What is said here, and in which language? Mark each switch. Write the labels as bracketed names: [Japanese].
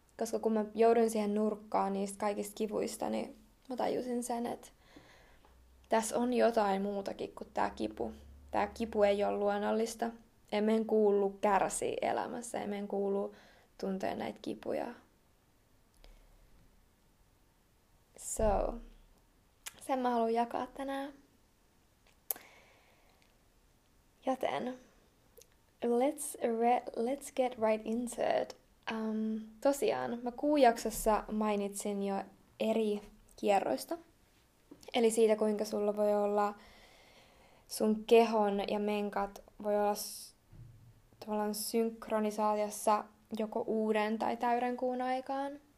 [Finnish] Koska kun mä jouduin siihen nurkkaan niistä kaikista kivuista, niin mä tajusin sen, että tässä on jotain muutakin kuin tää kipu. Tää kipu ei ole luonnollista. Emmeen kuulu kärsii elämässä, emmeen kuulu tuntee näitä kipuja. So, sen mä haluan jakaa tänään. [English] Joten, let's get right into it. [Finnish] Tosiaan, mä kuujaksossa mainitsin jo eri kierroista. Eli siitä, kuinka sulla voi olla sun kehon ja menkat voi olla tavallaan synkronisaatiossa joko uuden tai täyden kuun aikaan.